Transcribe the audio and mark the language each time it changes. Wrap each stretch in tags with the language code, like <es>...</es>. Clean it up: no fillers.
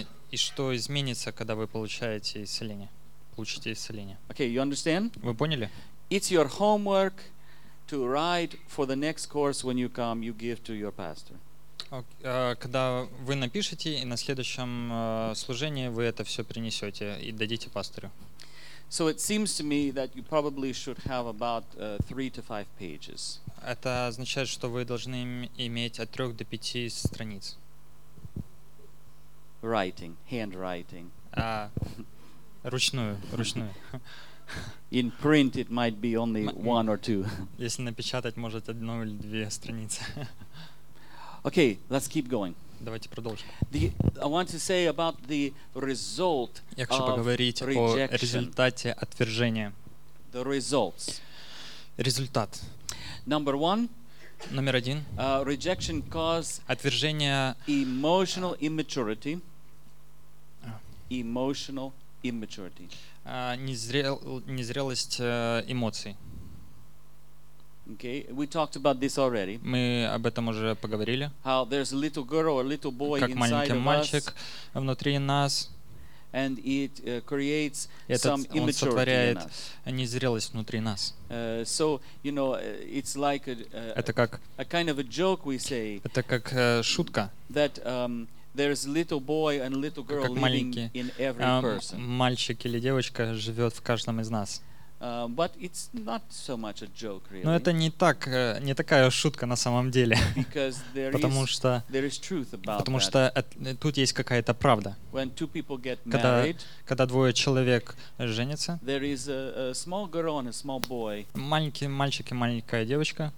<ru>И что изменится, когда вы получаете исцеление. Получите исцеление.</ru> <en>Okay, you understand?</en> <ru>Вы поняли?</ru> <en>It's your homework to write for the next course when you come, you give to your pastor.</en> <ru>Когда вы напишете и на следующем служении вы это все принесете и дадите пастору.</ru> <en>So it seems to me that you probably should have about 3 to 5 pages.</en> <ru>Это означает, что вы должны иметь от 3 до 5 страниц.</ru> <en>Writing, handwriting.</en> <ru>Ручную.</ru> <en>In print it might be only one or two.</en> <ru>Если напечатать, может, одну или две страницы.</ru> <en>Okay, let's keep going.</en> <ru>Давайте продолжим.</ru> <en>I want to say about the result.</en> <ru>Я хочу поговорить о результате отвержения.</ru> <en>The results.</en> <ru>Результат.</ru> <en>Number one.</en> <ru>Номер один.</ru> <en>Rejection causes</en> <ru>отвержение</ru> <en>emotional immaturity. Emotional immaturity.</en> <ru>Незрелость эмоций.</ru> <en>Okay, we talked about this already.</en> <ru>Мы об этом уже поговорили.</ru> <en>How there's a little girl or a little boy</en> <ru>как маленький мальчик</ru> <en>us,</en> <ru>внутри нас.</ru> <en>And it creates</en> <ru>этот,</ru> <en>some immaturity.</en> <ru>Он сотворяет незрелость внутри нас.</ru> <en>So you know, it's like a kind of a joke we say.</en> <ru>Это как шутка.</ru> <en>That there's little boy and little girl living in every person.</en> <ru>Мальчик или девочка живет в каждом из нас.</ru> <en>But it's not so much a joke, really.</en> <ru>Но это не так, не такая шутка на самом деле.</ru> <en>Because there is truth about</en> <ru>потому</ru> <en>that.</en> <ru>Что тут есть какая-то правда.</ru> <en>When two people get</en> <ru>когда,</ru> <en>married,</en> <ru>когда двое человек женятся,</ru> <en>there is a small girl and a small boy,</en> <ru>маленький мальчик и маленькая девочка,</ru>